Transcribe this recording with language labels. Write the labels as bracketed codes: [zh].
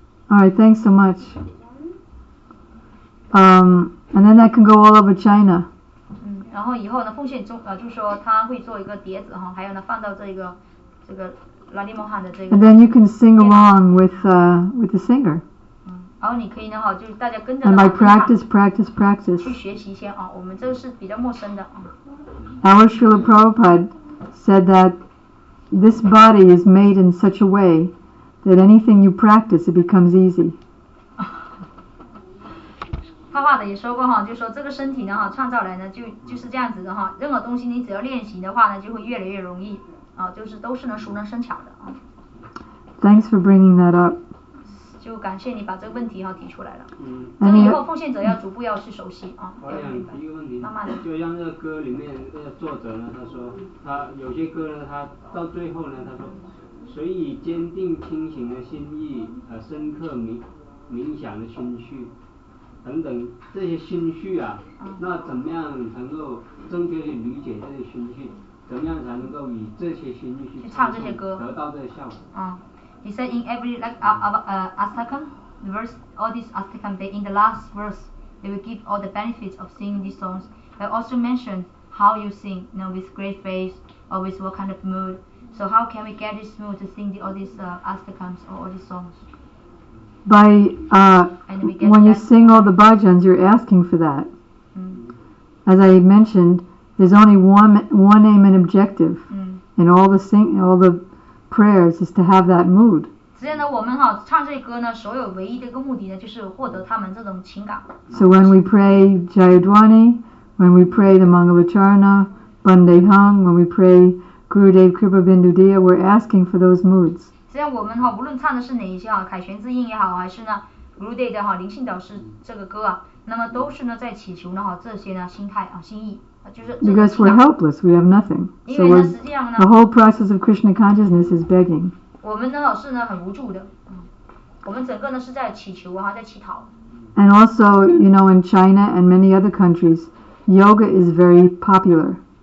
[en] All right. Thanks so much. And then that can go all over China. [zh] 然后以后呢，奉献中就说他会做一个碟子还有呢放到这个 Lali Mohan 的这个。 [en] And then you can sing along with the singer. [zh] 然后你可以呢就是大家跟着。 [en] And by practice. [zh] 去学习一些我们这个是比较陌生的 [en] Our Srila Prabhupada said that this body is made in such a way that anything you practice, it becomes easy. [zh] 画画的也说过就说这个身体呢创造来呢就是这样子的任何东西你只要练习的话呢就会越来越容易就是都是能熟能生巧的 [en] Thanks for bringing that up. [zh] 就感谢你把这个问题提出来了。这个以后奉献者要逐步要去熟悉我想提一个问题，就像这个歌里面作者呢，他说他有些歌呢，他到最后呢，他说随以坚定清醒的心意和深刻冥想的心绪。等等这些心绪那怎么样能够正确地理解这些心绪，怎么样才能够以这些心绪去唱这些歌得到这个效果 [en] He said in every Astakam verse, all these Astakam, they in the last verse, they will give all the benefits of singing these songs. They also mentioned how you sing, with great face or with what kind of mood. So how can we get this mood to sing all these Astakams or all these songs? By when you sing all the bhajans, you're asking for that. As I mentioned, there's only one aim and objective in all the prayers is to have that mood. [zh] 实际上呢，我们哈唱这歌呢，所有唯一的一个目的呢，就是获得他们这种情感。 [en] So when we pray Jayadwani, when we pray the Mangalacharna, Bandehang, when we pray Gurudev Kripa Bindu Diya, we're asking for those moods. [zh] 实际上我们无论唱的是哪一些凯旋之音也好还是呢 Gurudev 的灵性导师这个歌那么都是呢在祈求呢这些呢心态心意 [en] Because we're helpless, we have nothing. So the whole process of Krishna consciousness is begging. And also, you know, in China and many other countries, yoga is very popular.